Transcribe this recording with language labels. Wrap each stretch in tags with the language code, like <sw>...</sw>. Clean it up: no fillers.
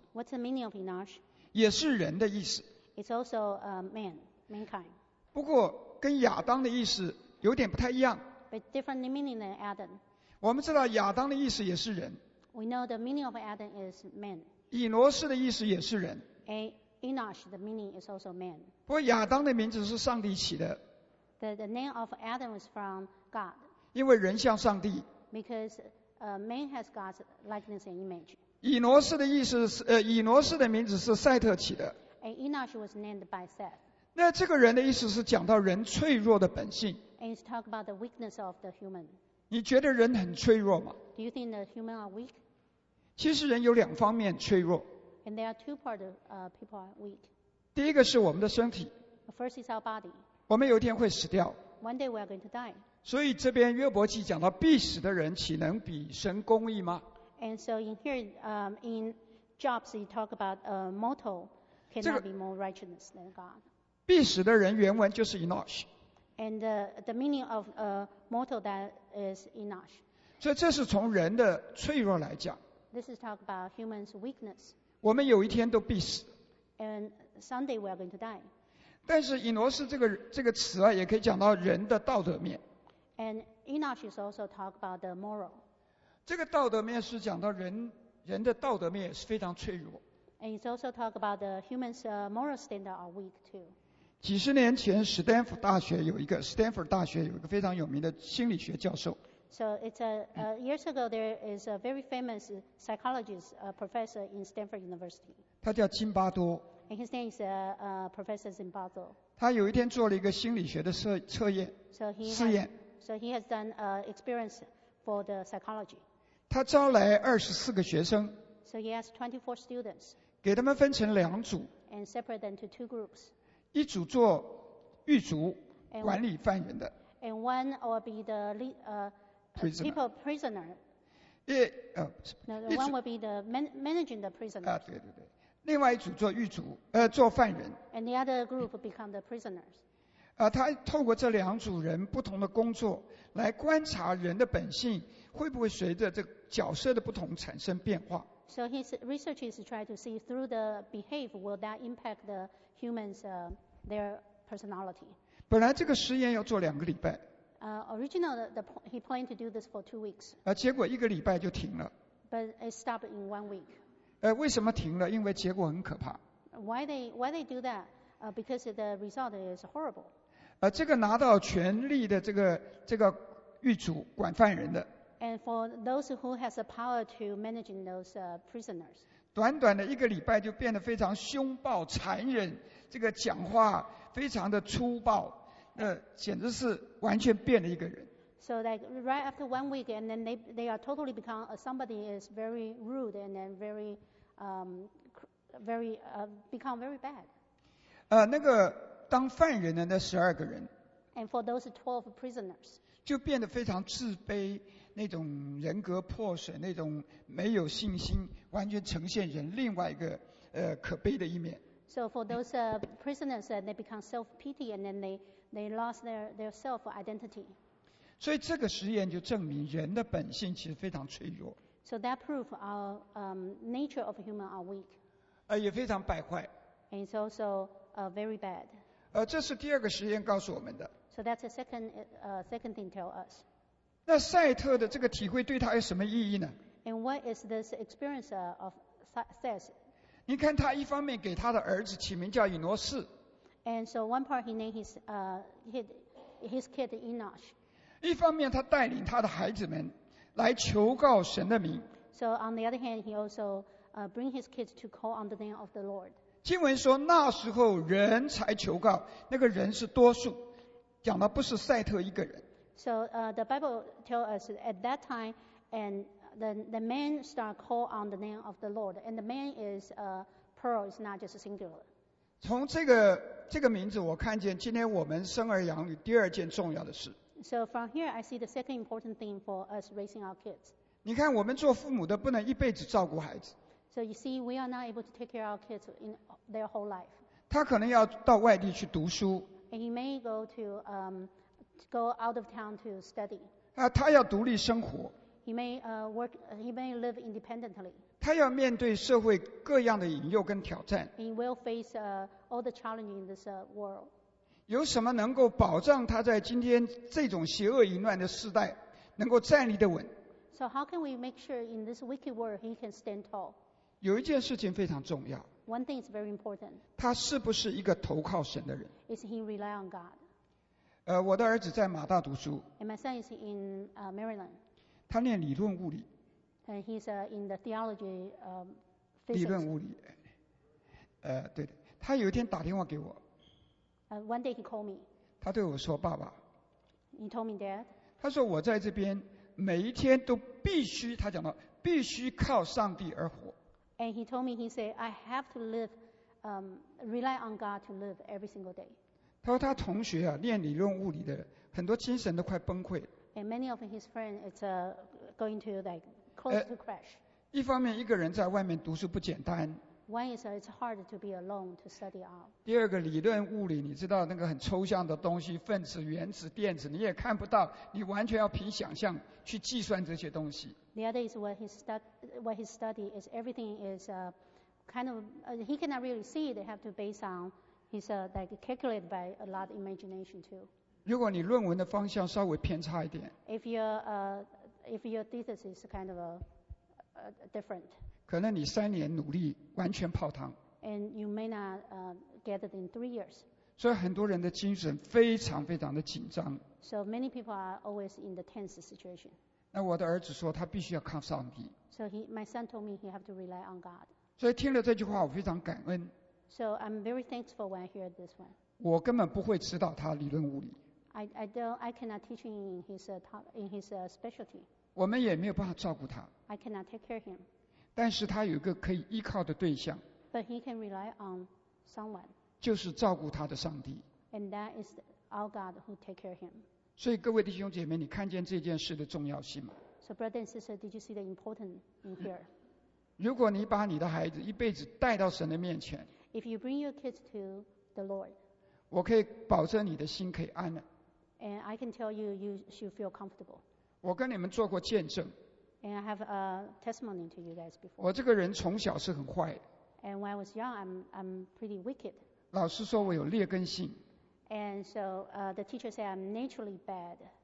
<en>What's the meaning of Enosh?</en> <zh>也是人的意思。</zh> <en>It's also mankind.</en> <zh>不过跟亚当的意思。有点不太一样。</zh> <en>But different meaning than Adam.</en> <zh>我们知道亚当的意思也是人。</zh> <en>We know the meaning of Adam is man.</en> <zh>以挪士的意思也是人。</zh> <en>Enosh, the meaning is also man.</en> <zh>不过亚当的名字是上帝起的。</zh> <en>The name of Adam is from God.</en> <zh>因为人像上帝。</zh> <en>Because man has God's likeness and image.</en> <zh>以挪士的意思是以挪士的名字是赛特起的。</zh> <en>Enosh was named by Seth.</en> <zh>那这个人的意思是讲到人脆弱的本性。</zh> <en>And it's talk about the weakness of the human.</en> <zh>你觉得人很脆弱吗？</zh> <en>Do you think the human are weak?</en> <zh>其实人有两方面脆弱。</zh> <en>And there are two parts of people are weak.</en> <zh>第一个是我们的身体。</zh> <en>The first is our body.</en> <zh>我们有一天会死掉。</zh> <en>One day we are going to die.</en> <zh>所以这边约伯记讲到必死的人岂能比神公义吗？</zh> <en>And so in here, in Jobs, he talk about a mortal cannot be more righteous than God.</en> <zh>必死的人原文就是 Enosh.</zh> <en>And the meaning of a mortal that is Enosh.</en> <zh>所以这是从人的脆弱来讲。</zh> <en>This is talk about humans' weakness.</en> <zh>我们有一天都必死。</zh> <en>And someday we are going to die.</en> <zh>但是以挪士这个词啊，也可以讲到人的道德面。</zh> <en>And Enosh is also talk about the moral.</en> <zh>这个道德面是讲到人的道德面也是非常脆弱。</zh> <en>And it's also talk about the humans' moral standard are weak too.</en> <zh>几十年前，史丹福大学有一个非常有名的心理学教授。</zh> <en>So it's years ago there is a very famous psychologist, professor in Stanford University.</en> <zh>他叫津巴多。</zh> <en>And his name is Professor Zimbardo.</en> <zh>他有一天做了一个心理学的测验。</zh> <en>So he has,</en> <zh>试验。</zh> <en>So he has done an experience for the psychology.</en> <zh>他招来24个学生。</zh> <en>So he has 24 students.</en> <zh>给他们分成两组。</zh> <en>And separate them to two groups.</en> <zh>一组做狱卒管理犯人的</zh> <en>and one or be the prisoner</en> <zh>一</zh> <en>one will be the managing the prisoner</en> <zh>对对对另外一组做狱卒做犯人</zh> <en>and the other group become the prisoners</en> <zh>他透过这两组人不同的工作来观察人的本性会不会随着这角色的不同产生变化</zh> <en>so his research is try to see through the behavior will that impact theHumans, their personality.</en> <zh>本来这个实验要做两个礼拜。</zh> <en>Original, he planned to do this for 2 weeks.</en> <zh>结果一个礼拜就停了。</zh> <en>But it stopped in 1 week.</en> <zh>为什么停了？因为结果很可怕。</zh> <en>Why they do that? Because the result is horrible.</en> <zh>这个拿到权力的这个狱卒管犯人的。</zh> <en>And for those who has the power to managing those prisoners.</en> <zh>短短的一个礼拜就变得非常凶暴残忍这个讲话非常的粗暴那简直是完全变了一个人</zh> <en>so like right after 1 week and then they are totally become somebody is very rude and then very become very bad</en> <zh>那个当犯人的那十二个人</zh> <en>and for those 12 prisoners</en> <zh>就变得非常自卑那种人格破损那种没有信心完全呈现人另外一个可悲的一面。</zh> <en>So for those prisoners, they become self-pity and then they lost their self-identity.</en> <zh>所以这个实验就证明人的本性其实非常脆弱。</zh> <en>So that proves our nature of human are weak.</en> <zh>也非常败坏。</zh> <en>And it's also very bad.</en> <zh>这是第二个实验告诉我们的。</zh> <en>So that's the second thing tell us.</en> <zh>那赛特的这个体会对他有什么意义呢？</zh> <en>And what is this experience of Seth's?</en> <zh>你看他一方面给他的儿子起名叫以诺士。</zh> <en>And so one part he named his kid Enosh.</en> <zh>一方面他带领他的孩子们来求告神的名。</zh> <en>So on the other hand, he also bring his kids to call on the name of the Lord.</en> <zh>经文说那时候人才求告，那个人是多数，讲的不是赛特一个人。</zh> <en>So the Bible tells us at that time, and the man start call on the name of the Lord, and the man is a plural, it's not just singular.</en> <zh>从这个名字，我看见今天我们生儿养女第二件重要的事。</zh> <en>So from here, I see the second important thing for us raising our kids.</en> <zh>你看，我们做父母的不能一辈子照顾孩子。</zh> <en>So you see, we are not able to take care of our kids in their whole life.</en> <zh>他可能要到外地去读书。</zh> <en>And he may go to go out of town to study.</en> <zh>他要独立生活。</zh> <en>He may work. He may live independently.</en> <zh>他要面对社会各样的引诱跟挑战。</zh> <en>He will face all the challenges in this world.</en> <zh>有什么能够保障他在今天这种邪恶淫乱的时代能够站立得稳</zh> <en>？So how can we make sure in this wicked world he can stand tall?</en> <zh>有一件事情非常重要。</zh> <en>One thing is very important.</en> <zh>他是不是一个投靠神的人</zh> <en>？Is he rely on God?</en> <zh>我的儿子在马大读书。</zh> <en>And my son is in Maryland.</en> <zh>他念理论物理。</zh> <en>And he's in the theology physics.</en> <zh>理论物理。对的。他有一天打电话给我。</zh> <en>One day he called me.</en> <zh>他对我说：“爸爸。”</zh> <en>He told me, Dad.</en> <zh>他说：“我在这边每一天都必须，他讲到必须靠上帝而活。”</zh> <en>And he told me, he said, I have to live, rely on God to live every single day.</en> <zh>他说他同学啊，念理论物理的很多精神都快崩溃。</zh> <en>And many of his friends, it's going to like close to crash.</en> <zh>一方面，一个人在外面读书不简单。</zh> <en>One is it's hard to be alone to study out.</en> <zh>第二个理论物理，你知道那个很抽象的东西，分子、原子、电子，你也看不到，你完全要凭想象去计算这些东西。</zh> <en>The other is what he study is everything is he cannot really see it. They have to base on his like calculated by a lot of imagination too.</en> <zh>如果你论文的方向稍微偏差一点</zh> <en>，if your thesis is kind of different.</en> <zh>可能你三年努力完全泡汤。</zh> <en>And you may not get it in 3 years.</en> <zh>所以很多人的精神非常非常的紧张。</zh> <en>So many people are always in the tense situation.</en> <zh>那我的儿子说他必须要靠上帝。</zh> <en>So my son told me he have to rely on God.</en> <zh>所以听了这句话我非常感恩。</zh> <en>So I'm very thankful when I hear this one.</en> <zh>我根本不会指导他理论物理。</zh> <en>I cannot teach him in his specialty.</en> <zh>我们也没有办法照顾他。</zh> <en>I cannot take care of him.</en> <zh>但是他有一个可以依靠的对象。</zh> <en>But he can rely on someone.</en> <zh>就是照顾他的上帝。</zh> <en>And that is our God who take care of him.</en> <zh>所以各位弟兄姐妹，你看见这件事的重要性吗</zh> <en>？So brother and sister, did you see the importance in here?</en> <zh>如果你把你的孩子一辈子带到神的面前</zh> <en>，If you bring your kids to the Lord,</en> <zh>我可以保证你的心可以安了。</zh> <en>And I can tell you, you should feel comfortable.</en> <zh>我跟你们做过见证。</zh> <en>And I have a testimony to you guys before.</en> <zh>我这个人从小是很坏。</zh> <en>And when I was young, I'm pretty wicked.</en> <zh>老师说我有劣根性。</zh> <en>And so the teacher said I'm naturally bad.</en>